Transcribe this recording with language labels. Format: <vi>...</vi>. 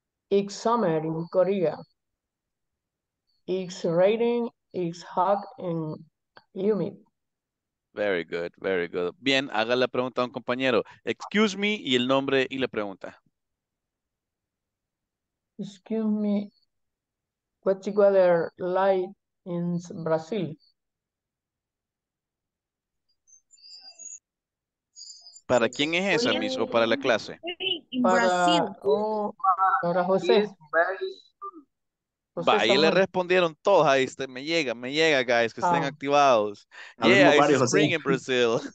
<en>It's summer in Korea. It's raining, it's hot and humid. Very good.</en> <es>Bien, haga la pregunta a un compañero.</es> <en>Excuse me</en> <es>y el nombre y la pregunta.</es> <en>Excuse me, what's the weather like in Brazil?</en> <es>¿Para quién es esa, Miss, o para la clase? Para José. Va, ahí le respondieron todos, ahí está, me llega,</es> <en>guys,</en> <es>que estén activados.</es> <en>Yeah, it's spring in Brazil.</en>